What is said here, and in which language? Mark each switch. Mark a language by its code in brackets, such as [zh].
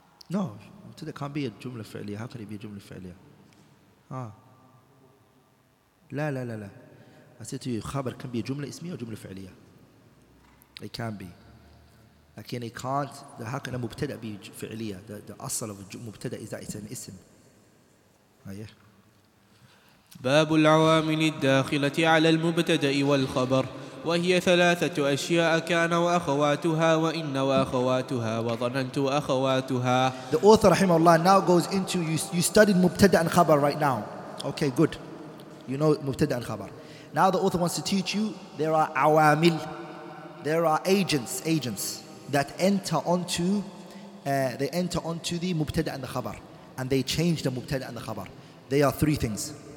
[en] No. So there can't be a jumla fi'li. How can it be a jumla fi'li? Ah. La. I said to you, khabar can be a jumla ismiyah or jumla fi'li. It can be. Again, it can't. The hakana mubtada be fi'liya. The asal of mubtada is that it's an ism. [ar] باب العوامل الداخلة على المبتدأ والخبر وهي ثلاثة أشياء كان وأخواتها وإن وأخواتها وظننت أخواتها. [en] The author, رحمه الله, now goes into you studied mubtada and khabar right now. Okay, good. You know mubtada and khabar. Now the author wants to teach you there are awamil, there are agents. That enter onto the mubtada and the khabar, and they change the mubtada and the khabar. They are three things.